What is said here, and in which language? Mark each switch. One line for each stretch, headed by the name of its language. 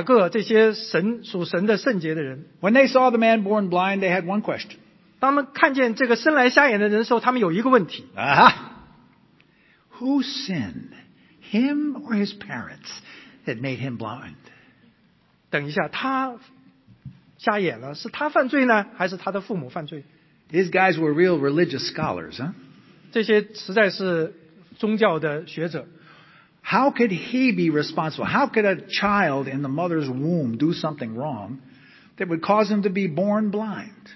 Chinese: 记得彼得、约翰、雅各这些神属神的圣洁的人。
English: When they saw the man born blind, they had one question.
Chinese: 当他们看见这个生来瞎眼的人的时候，他们有一个问题。
English: Who sinned, him or his parents, that made him blind?
Chinese: 等一下，他瞎眼了，是他犯罪呢，还是他的父母犯罪？
English: These guys were real religious scholars, huh?
Chinese: 这些实在是宗教的学者。
English: How could he be responsible? How could a child in the mother's womb do something wrong that would cause him to be born blind?